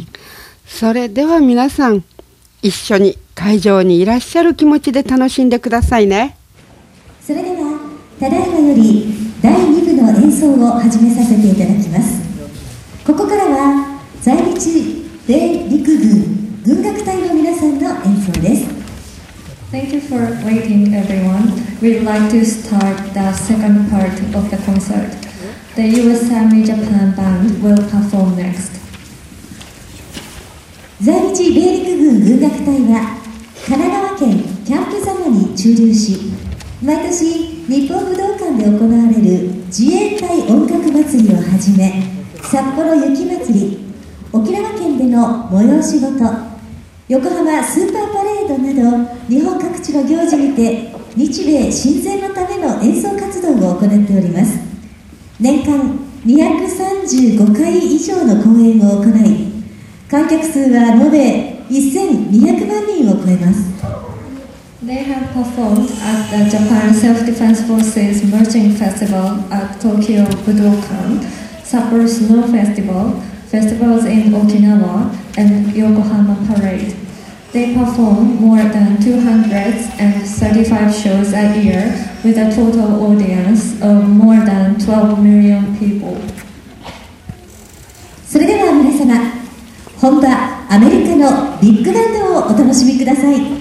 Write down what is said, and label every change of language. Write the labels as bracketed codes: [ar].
[ja] ん、それでは皆さん、一緒に会場にいらっしゃる気持ちで楽しんでくださいね。それでは、ただいまより第2部の演奏を始めさせていただきます。ここからは在日米陸軍軍楽隊の皆さんの演奏です。 [en] Thank you for waiting, everyone. We'd like to start the second part of the concert. The US Army Japan Band will perform next. [ja] 在日米陸軍軍楽隊は神奈川県キャンプ座に駐留し、毎年日本武道館で行われる自衛隊音楽祭りをはじめ、札幌雪祭り、沖縄県での催し事、横浜スーパーパレードなど日本各地の行事にて日米親善のための演奏活動を行っております。年間235回以上の公演を行い、観客数は延べ1200万人を超えます。 [en] They have performed at the Japan Self Defense Forces Marching Festival at Tokyo Budokan, Sapporo Snow Festival, festivals in Okinawa and Yokohama Parade. They perform more than 235 shows a year with a total audience of more than 12 million people. [ja] それでは皆様、本場アメリカのビッグバンドをお楽しみください。